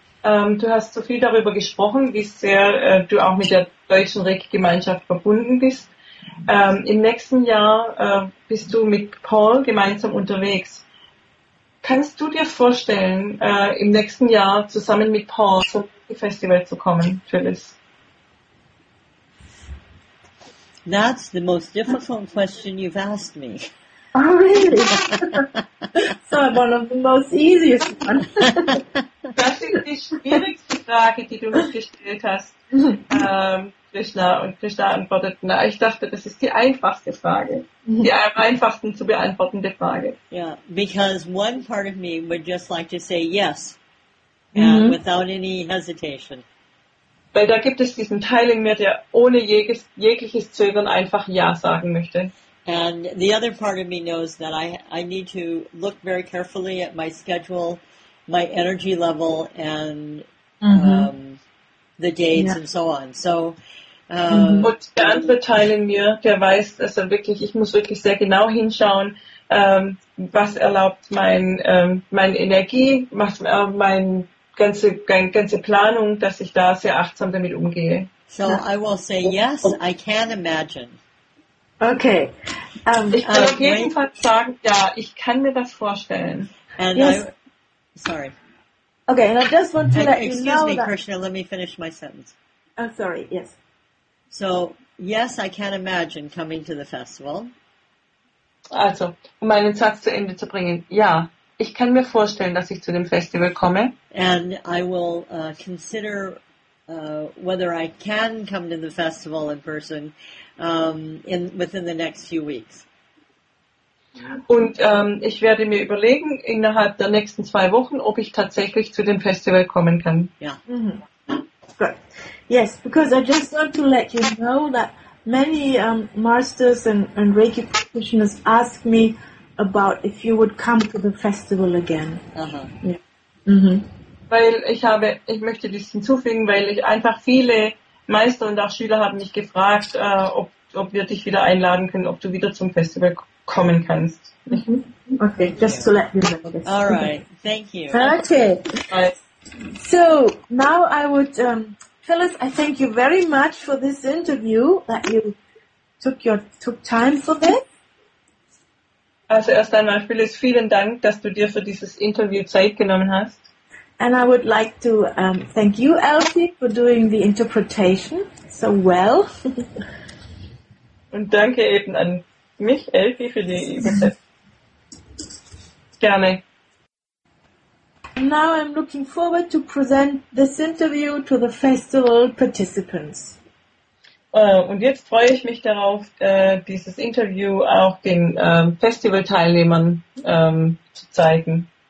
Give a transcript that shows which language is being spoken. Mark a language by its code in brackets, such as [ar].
[de] Du hast so viel darüber gesprochen, wie sehr du auch mit der deutschen Reiki-Gemeinschaft verbunden bist. Im nächsten Jahr bist du mit Paul gemeinsam unterwegs. Kannst du dir vorstellen, im nächsten Jahr zusammen mit Paul zum Festival zu kommen, Phyllis? [en] That's the most difficult question you've asked me. Oh, really? So one of the most easiest ones. [de] Das ist die schwierigste Frage, die du mir gestellt hast, Krishna. Und Krishna antwortet, na, ich dachte, das ist die einfachste Frage. Die am einfachsten zu beantwortende Frage. [en] Yeah, because one part of me would just like to say yes, mm-hmm. without any hesitation. [de] Weil da gibt es diesen Teil in mir, der ohne jegliches Zögern einfach ja sagen möchte. [en] And the other part of me knows that I need to look very carefully at my schedule, my energy level, and mm-hmm. The dates yeah. and so on. So, [de] und der andere Teil in mir, der weiß, also wirklich, ich muss wirklich sehr genau hinschauen, was erlaubt mein Energie, was meine ganze Planung, dass ich da sehr achtsam damit umgehe. [en] So I will say yes, I can imagine. Okay. [de] Ich kann auf jeden Fall sagen, ja, ich kann mir das vorstellen. [en] And yes. Sorry. Okay, and I just want to let excuse you know me, that... Krishna, let me finish my sentence. Oh, sorry, yes. So, yes, I can imagine coming to the festival. [de] Also, um meinen Satz zu Ende zu bringen, ja, ich kann mir vorstellen, dass ich zu dem Festival komme. [en] And I will consider whether I can come to the festival in person within the next few weeks. [de] Und ich werde mir überlegen, innerhalb der nächsten 2 Wochen, ob ich tatsächlich zu dem Festival kommen kann. [en] Yeah. Mm-hmm. Good. Yes, because I just want to let you know that many masters and Reiki practitioners ask me about if you would come to the festival again. Uh-huh. Yeah. Mm-hmm. [de] Weil ich möchte dies hinzufügen, weil ich einfach viele Meister und auch Schüler haben mich gefragt, ob wir dich wieder einladen können, ob du wieder zum Festival kommen kannst. [en] Mm-hmm. Okay, just to let you know this. All right, thank you. Okay. So now I would tell us, I thank you very much for this interview, that you took time for this. [de] Also erst einmal, Phyllis, vielen Dank, dass du dir für dieses Interview Zeit genommen hast. [en] And I would like to thank you, Elsie, for doing the interpretation so well. [de] Und danke eben an mich, Elsie, für die Übersetzung. Gerne. [en] Now I'm looking forward to present this interview to the festival participants. [de] Und jetzt freue ich mich darauf, dieses Interview auch den Festivalteilnehmern zu zeigen.